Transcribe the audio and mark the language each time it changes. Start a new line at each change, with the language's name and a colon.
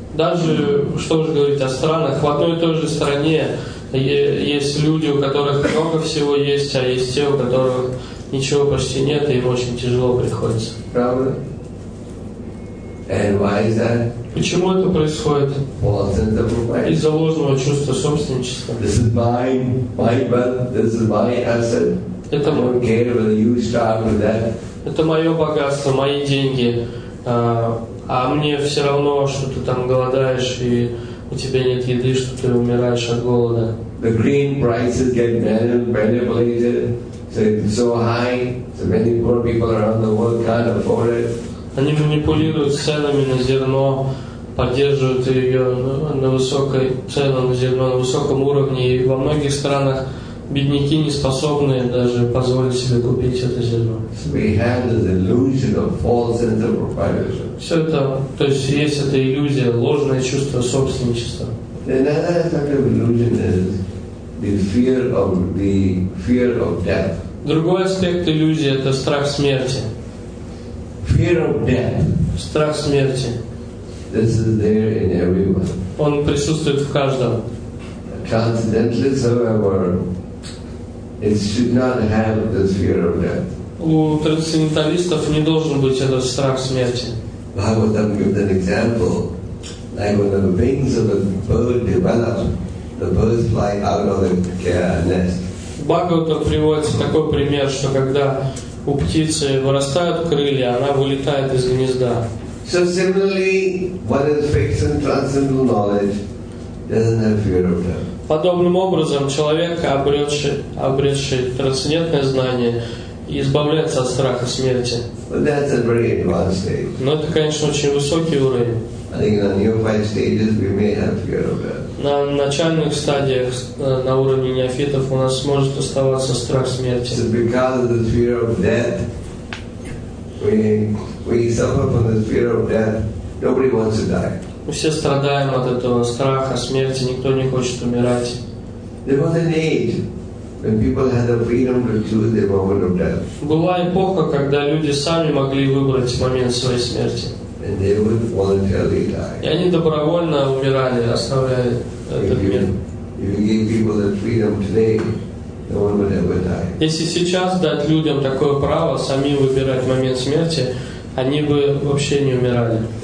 Russian: Даже что же говорить о странах? В одной и той же стране есть люди, у которых много всего есть, а есть те, у которых ничего почти нет, и им очень тяжело приходится. Правда?
English: And why is that?
Russian: Почему это происходит? Из-за ложного чувства собственничества.
English: This is mine, my wealth, this is my asset.
Russian: Это
English: I don't care whether you start with that.
Russian: Это мое богатство, мои деньги. А мне все равно, что ты там голодаешь, и у тебя нет еды, что ты умираешь от голода.
English: The green prices get manipulated. So it's so high, so many poor people around the world can't afford it.
Russian: Они манипулируют ценами на зерно, поддерживают ее на высокой цену на зерно на высоком уровне, и во многих странах бедняки не способны даже позволить себе купить это зерно.
English: We have the illusion of false sense of proprietorship.
Russian: Все это, то есть есть эта иллюзия, ложное чувство собственничества.
English: Another aspect of illusion is the fear of death.
Russian: Другой аспект иллюзии — это страх смерти.
English: Fear of death.
Russian: Страх смерти.
English: This is there in everyone.
Russian: Он присутствует в каждом.
English: Transcendentalists, however, it should not have the fear of death.
Russian: У трансценденталистов не должен быть этот страх смерти.
English: Bhagavatam gives an example, like when the wings of a bird develop, the birds fly out of the nest.
Russian: Бхагавата приводит такой пример, что когда у птицы вырастают крылья, она вылетает из гнезда.
English: So similarly, what is fixed in transcendental knowledge doesn't have fear of death.
Russian: Подобным образом человек, обретший трансцендентное знание, избавляется от страха смерти.
English: But that's a very advanced stage.
Russian: Но это, конечно, очень высокий уровень.
English: I think in the new five stages we may have fear of death.
Russian: На начальных стадиях, на уровне неофитов, у нас может оставаться страх смерти.
English: So because of the fear of death, we suffer from the fear of death. Nobody wants to die.
Russian: Мы все страдаем от этого страха смерти, никто не хочет умирать.
English: There was an age when people had the freedom to choose their moment of death.
Russian: Была эпоха, когда люди сами могли выбрать момент своей смерти.
English: And they would voluntarily die.
Russian: И они добровольно умирали, оставляя этот мир.
English: If you give people that freedom today, no one would ever die.
Russian: Если сейчас дать людям такое право сами выбирать момент смерти, они бы вообще не умирали.